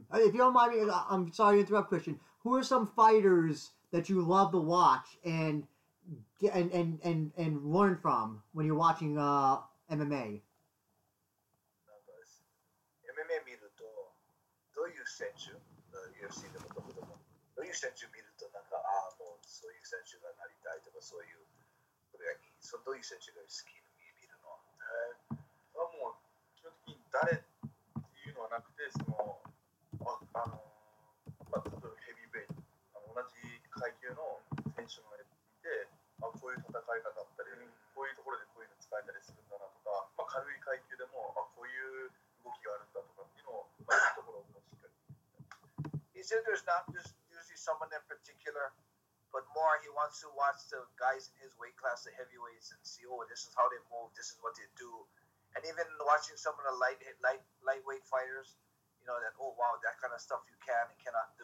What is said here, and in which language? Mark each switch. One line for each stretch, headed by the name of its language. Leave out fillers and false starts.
English: If you don't mind me, I'm sorry to interrupt, Christian. Who are some fighters that you love to watch and learn from when you're watching MMA?
Japanese: MMA 見るとどういう選手 UFC でもどこでもどういう選手見るとなんかああもうそういう選手がなりたいとかそういうこれがいいそのどういう選手が好きに見るの？もう基本的に誰っていうのはなくて、その、まあ、例えばヘビーウェイ、同じ階級の選手がいて、まあ、こういう戦い方だったり、こういうところでこういうの使えたりするんだなとか、まあ、軽い階級でも、まあ、こういう動きがあるんだとかっていうのを、まあ、いいところをしっかり。
English: He said there's not just usually someone in particular, but more he wants to watch the guys in his weight class, the heavyweights, and see, oh, this is how they move, this is what they do. And even watching some of the lightweight fighters, you know, that, oh, wow, that kind of stuff you can and cannot do.